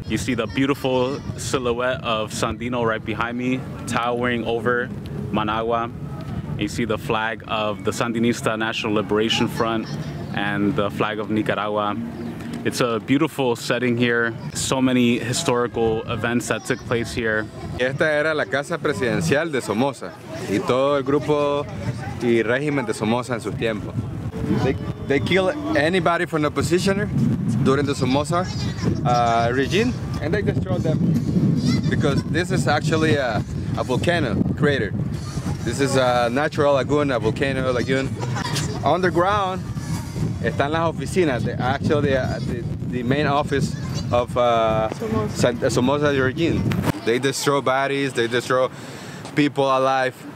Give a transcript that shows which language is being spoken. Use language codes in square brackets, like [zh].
[en] You see the beautiful silhouette of Sandino right behind me, towering over Managua. You see the flag of the Sandinista National Liberation Front and the flag of Nicaragua. It's a beautiful setting here. So many historical events that took place here. [es] Esta era la casa presidencial de Somoza y todo el grupo y régimen de Somoza en sus tiempos. [en] They kill anybody from the opposition during the Somoza regime, and they destroy them because this is actually a volcano crater. This is a natural lagoon, a volcano lagoon. Underground, [es] están las oficinas, [en] the main office of Somoza regime. They destroy bodies, they destroy people alive.